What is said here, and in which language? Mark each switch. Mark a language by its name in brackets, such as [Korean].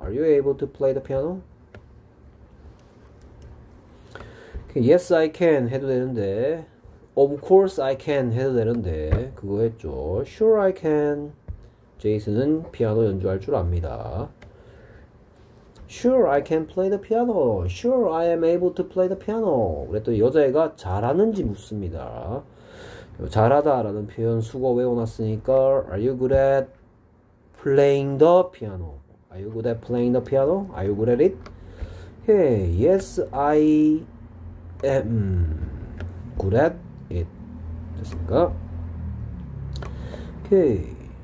[English] Are you able to play the piano? Yes, I can [Korean] 해도 되는데. [English] Of course I can [Korean] 해도 되는데 그거 했죠. [English] Sure I can. [Korean] 제이슨은 피아노 연주할 줄 압니다. [English] Sure I can play the piano. Sure I am able to play the piano. [Korean] 그랬더니 여자애가 잘하는지 묻습니다. 잘하다라는 표현 수거 외워놨으니까 [English] Are you good at playing the piano? Are you good at playing the piano? Are you good at it? Hey, yes I am good at [Korean] 됐습니까? 오케이.